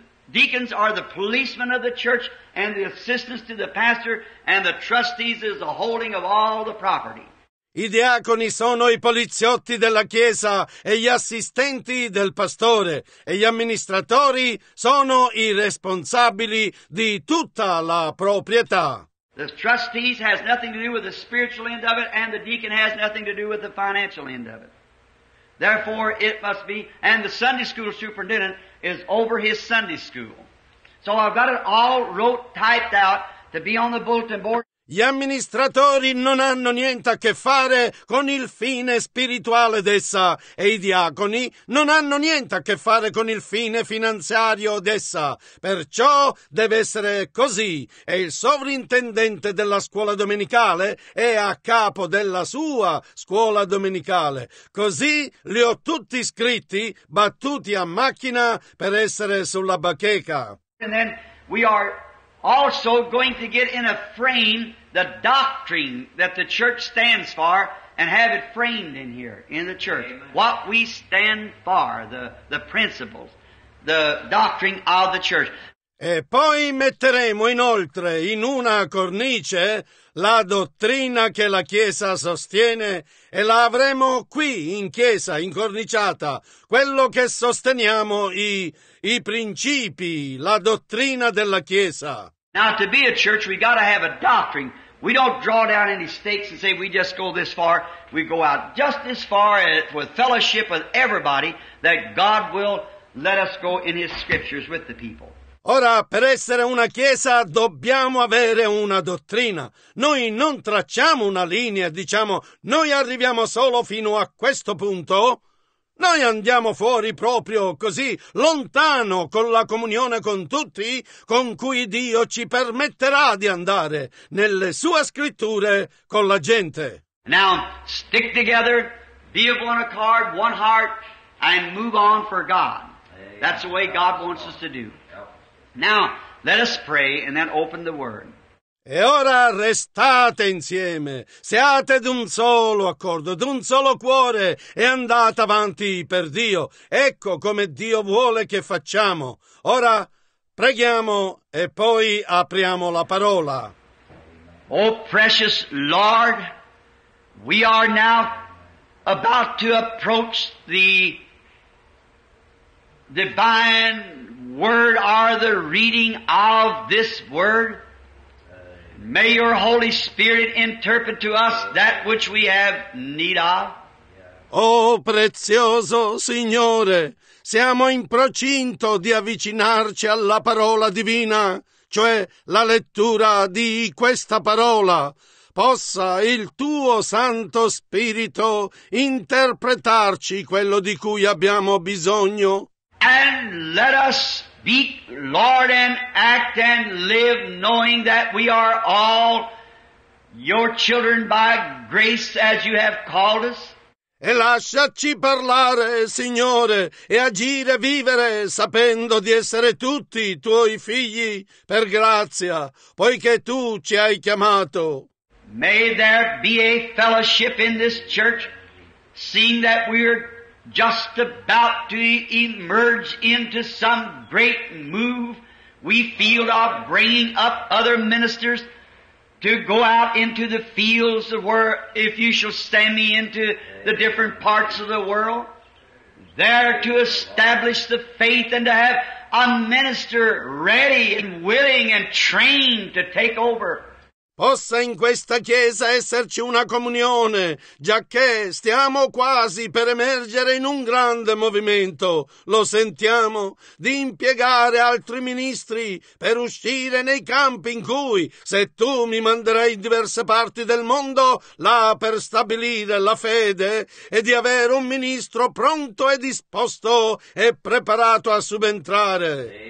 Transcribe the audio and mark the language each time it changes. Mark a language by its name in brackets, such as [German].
[English] Deacons are the policemen of the church and the assistants to the pastor, and the trustees is the holding of all the property. [Italian] I diaconi sono i poliziotti della chiesa e gli assistenti del pastore, e gli amministratori sono i responsabili di tutta la proprietà. [English] The trustees has nothing to do with the spiritual end of it, and the deacon has nothing to do with the financial end of it. Therefore, it must be, and the Sunday school superintendent is over his Sunday school. So I've got it all wrote, typed out to be on the bulletin board. [Italian] Gli amministratori non hanno niente a che fare con il fine spirituale d'essa, e i diaconi non hanno niente a che fare con il fine finanziario d'essa. Perciò deve essere così, e il sovrintendente della scuola domenicale è a capo della sua scuola domenicale. Così li ho tutti scritti, battuti a macchina per essere sulla bacheca. [English] And then we are also going to get in a frame the doctrine that the church stands for and have it framed in here, in the church. Amen. What we stand for, the principles, the doctrine of the church. [Italian] E poi metteremo inoltre in una cornice la dottrina che la Chiesa sostiene, e la avremo qui in Chiesa, incorniciata, quello che sosteniamo, i principi, la dottrina della Chiesa. [English] Now, to be a church, we got to have a doctrine. We don't draw down any stakes and say we just go this far. We go out just this far with fellowship with everybody that God will let us go in His scriptures with the people. [Italian] Ora, per essere una chiesa dobbiamo avere una dottrina. Noi non tracciamo una linea, diciamo, noi arriviamo solo fino a questo punto. Noi andiamo fuori proprio così, lontano con la comunione con tutti, con cui Dio ci permetterà di andare nelle sue scritture con la gente. [English] Now, stick together, be of one accord, one heart, and move on for God. That's the way God wants us to do. Now, let us pray and then open the Word. [Italian] E ora restate insieme, siate d'un solo accordo, d'un solo cuore, e andate avanti per Dio. Ecco come Dio vuole che facciamo. Ora preghiamo e poi apriamo la parola. [English] Oh, precious Lord, we are now about to approach the divine Word, are the reading of this word. May your Holy Spirit interpret to us that which we have need of. [Italian] Oh, prezioso Signore, siamo in procinto di avvicinarci alla parola divina, cioè la lettura di questa parola. Possa il tuo Santo Spirito interpretarci quello di cui abbiamo bisogno. [English] And let us speak, Lord, and act and live, knowing that we are all your children by grace as you have called us. [Italian] E lasciaci parlare, Signore, e agire, vivere, sapendo di essere tutti tuoi figli per grazia, poiché tu ci hai chiamato. [English] May there be a fellowship in this church, seeing that we are just about to emerge into some great move, we feel of bringing up other ministers to go out into the fields of where, if you shall send me into the different parts of the world, there to establish the faith and to have a minister ready and willing and trained to take over. [Italian] Possa in questa chiesa esserci una comunione, giacché stiamo quasi per emergere in un grande movimento, lo sentiamo, di impiegare altri ministri per uscire nei campi in cui, se tu mi manderai in diverse parti del mondo, là per stabilire la fede, e di avere un ministro pronto e disposto e preparato a subentrare.